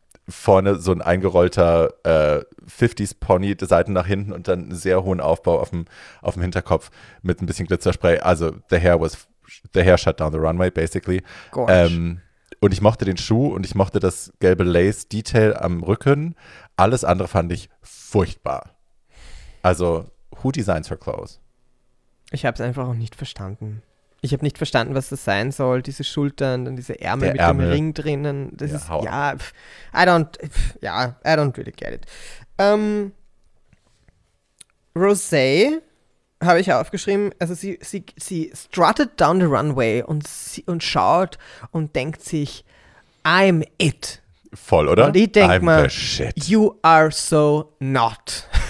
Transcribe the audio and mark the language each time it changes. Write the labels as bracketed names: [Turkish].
[German] Vorne so ein eingerollter 50s-Pony, Seiten nach hinten und dann einen sehr hohen Aufbau auf dem Hinterkopf mit ein bisschen Glitzerspray. [English] Also, the hair shut down the runway, basically. Gosh. [German] Und ich mochte den Schuh und ich mochte das gelbe Lace-Detail am Rücken. Alles andere fand ich furchtbar. [English] Also, who designs her clothes? [German] Ich habe es einfach auch nicht verstanden. Ich habe nicht verstanden, was das sein soll. Diese Schultern, dann diese Ärmel der mit Ärmel. Dem Ring drinnen. Das ist, ja, [English] I don't really get it. [German] Rosé habe ich aufgeschrieben, also sie strutted down the runway und schaut und denkt sich, [English] I'm it. [German] Voll, oder? Und ich denke mir, [English] shit. You are so not.